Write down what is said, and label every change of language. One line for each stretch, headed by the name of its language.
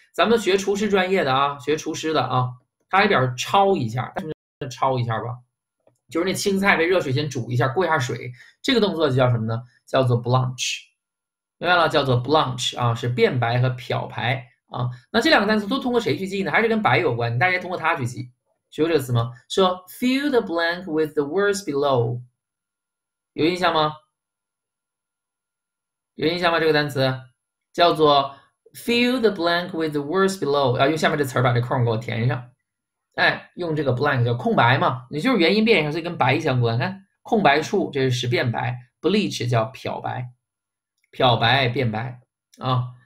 Chinese: 咱们学厨师专业的啊，学厨师的啊，它还表示焯一下，是不是焯一下吧？就是那青菜被热水先煮一下，过一下水，这个动作就叫什么呢？叫做 blanch，明白了？叫做 blanch 啊，是变白和漂白啊。那这两个单词都通过谁去记呢？还是跟白有关？你大家通过它去记，学过这个词吗？
English: 说 fill the blank with the words below，
Chinese: 有印象吗？有印象吗？这个单词叫做
English: fill the blank with the words below，
Chinese: 要用下面这词儿把这空给我填上。哎，用这个 blank 叫空白嘛，也就是元音变上，所以跟白相关。看空白处，这是使变白，bleach 叫漂白，漂白变白啊。